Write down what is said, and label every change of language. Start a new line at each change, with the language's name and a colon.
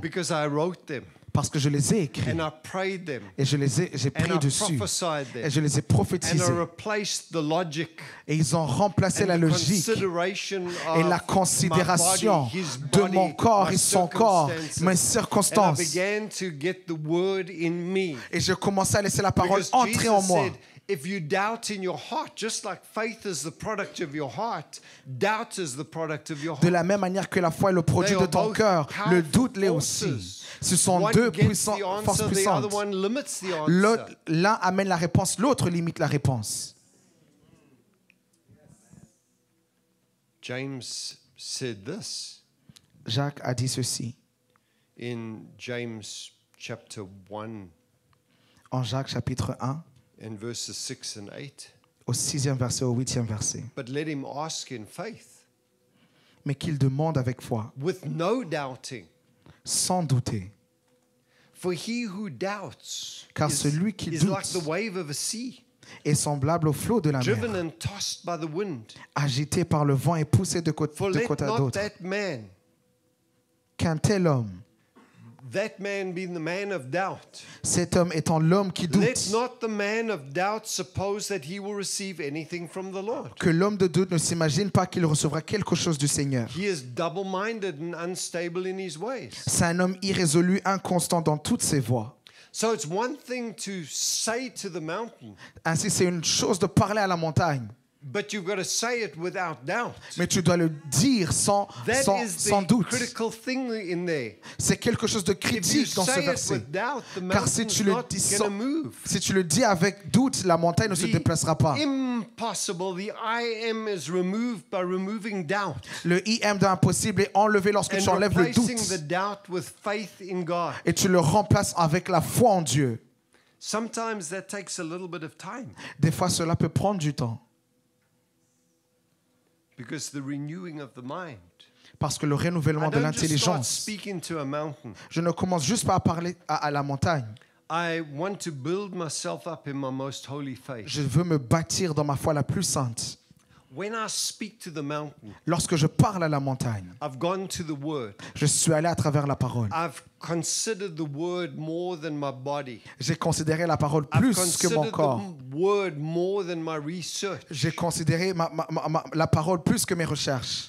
English: Because I wrote them.
French: Parce que je les ai écrits.
English: And I prayed them.
French: Et je les ai, j'ai prié
English: and
French: dessus.
English: I prophesied them.
French: Et je les ai prophétisés.
English: And I replaced the logic.
French: Et ils ont remplacé
English: and
French: la logique
English: consideration
French: et la considération
English: of my body, his body,
French: de mon corps et son corps, mes circonstances.
English: And I began to get the word in me.
French: Et je commençais à laisser la parole
English: because
French: entrer
English: Jesus
French: en moi.
English: Said, if you doubt in your heart, just like faith is the product of your heart, doubt is the product of your heart.
French: De la même manière que la foi est le produit
English: they
French: de ton cœur, le doute l'est aussi. Ce sont
English: one
French: deux forces puissantes.
English: The other one limits the answer.
French: L'un amène la réponse, l'autre limite la réponse.
English: James said this.
French: Jacques a dit ceci.
English: In James chapter 1.
French: En Jacques chapitre 1.
English: In verses 6 and 8.
French: Au sixième verset, au huitième verset.
English: But let him ask in faith.
French: Mais qu'il demande avec foi.
English: With no doubting.
French: Sans douter.
English: For he who doubts.
French: Car celui qui doute.
English: Is like the wave of a sea.
French: Est semblable au flot de la mer.
English: Driven and tossed by the wind.
French: Agité par le vent et poussé de côté à d'autre.
English: For let not that man.
French: Qu'un tel homme.
English: That man being the man of doubt.
French: Cet homme étant l'homme qui doute.
English: Let not the man of doubt suppose that he will receive anything from the Lord.
French: Que l'homme de doute ne s'imagine pas qu'il recevra quelque chose du Seigneur.
English: He is double-minded and unstable in his ways.
French: C'est un homme irrésolu, inconstant dans toutes ses voies.
English: So it's one thing to say to the mountain.
French: Ainsi, c'est une chose de parler à la montagne.
English: But you've got to say it without doubt.
French: Mais tu dois le dire sans doute.
English: Critical thing in there.
French: C'est quelque chose de critique dans ce verset.
English: Doubt,
French: car si tu le dis sans doute, si tu le dis avec doute, la montagne ne
English: the
French: se déplacera pas.
English: Impossible, the I am is removed by removing doubt.
French: Le IM de impossible est enlevé lorsque
English: and
French: tu enlèves le doute.
English: The doubt with faith in God.
French: Et tu le remplaces avec la foi en Dieu.
English: Sometimes that takes a little bit of time.
French: Des fois cela peut prendre du temps.
English: Because the renewing of the mind.
French: Parce que le renouvellement
English: I don't
French: de l'intelligence.
English: Just start speaking to a mountain.
French: Je ne commence juste pas à parler à la montagne.
English: I want to build myself up in my most holy faith.
French: Je veux me bâtir dans ma foi la plus sainte.
English: When I speak to the mountain,
French: lorsque je parle à la montagne,
English: I've gone to the word.
French: Je suis allé à travers la parole.
English: I've considered the word more than my body.
French: J'ai considéré la parole plus
English: I've considered
French: que mon corps.
English: The word more than my research.
French: J'ai considéré la parole plus que mes recherches.